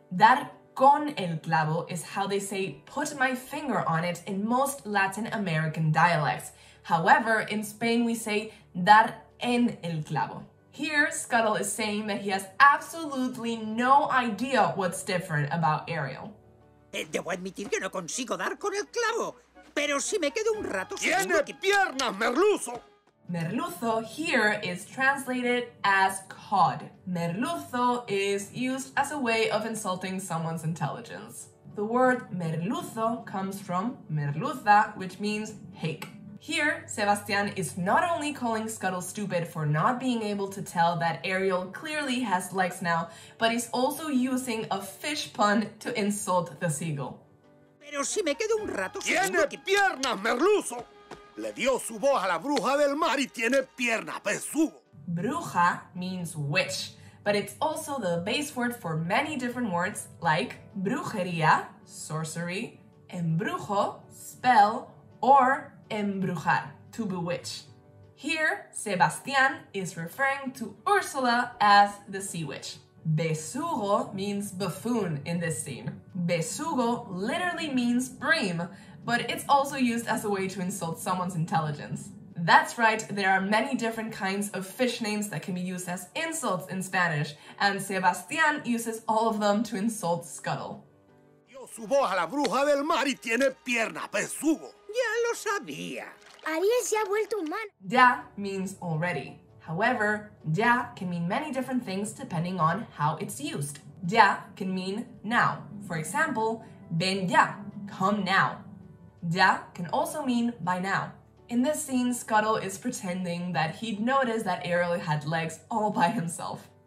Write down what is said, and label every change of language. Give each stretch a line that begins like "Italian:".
Spanish: Dar con el clavo
English: is how they say put my finger on it in most Latin American dialects. However, in Spain we say
Spanish: dar en el clavo.
English: Here, Scuttle is saying that he has absolutely no idea what's different about Ariel.
Spanish: Debo admitir que no consigo dar con el clavo, pero si me quedo un rato... ¡Tiene piernas, merluzo!
English: Merluzo here is translated as cod. Merluzo is used as a way of insulting someone's intelligence. The word merluzo comes from merluza, which means hake. Here, Sebastian is not only calling Scuttle stupid for not being able to tell that Ariel clearly has legs now, but is also using a fish pun to insult the seagull.
Spanish: Pero si me quedo un rato... ¡Tiene piernas, merluzo! Le dio su voz a la bruja del mar y tiene piernas, pezugo.
English: Bruja means witch, but it's also the base word for many different words like brujería, sorcery, embrujo, spell, or embrujar, to bewitch. Here, Sebastián is referring to Ursula as the sea witch. Besugo means buffoon in this scene. Besugo literally means bream, but it's also used as a way to insult someone's intelligence. That's right, there are many different kinds of fish names that can be used as insults in Spanish, and Sebastián uses all of them to insult Scuttle.
Spanish: Dio su voz a la bruja del mar y tiene pierna, besugo. Ya lo sabía. Ariel se ha vuelto humano.
English: Ya means already. However, ya can mean many different things depending on how it's used. Ya can mean now. For example,
Spanish: ven ya,
English: come now. Ya can also mean by now. In this scene, Scuttle is pretending that he'd noticed that Ariel had legs all by himself.